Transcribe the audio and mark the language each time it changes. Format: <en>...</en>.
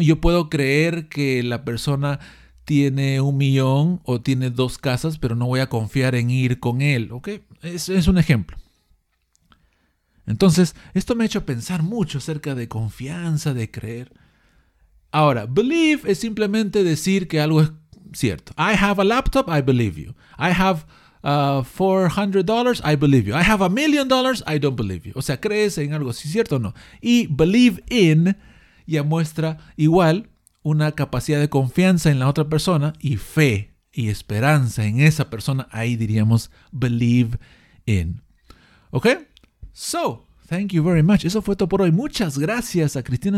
<es>Yo puedo creer que la persona tiene 1 millón o tiene 2 casas, pero no voy a confiar en ir con él, ¿ok? Es un ejemplo. Entonces, esto me ha hecho pensar mucho acerca de confianza, de creer. Ahora, believe es simplemente decir que algo es cierto.</es> <en>I have a laptop, I believe you. I have $400, I believe you. I have $1 million, I don't believe you.</en> <es>O sea, crees en algo, si es cierto o no. Y believe in ya muestra igual una capacidad de confianza en la otra persona y fe y esperanza en esa persona. Ahí diríamos believe in. ¿Ok?</es> <en>So, thank you very much.</en> <es>Eso fue todo por hoy. Muchas gracias a Cristina.</es>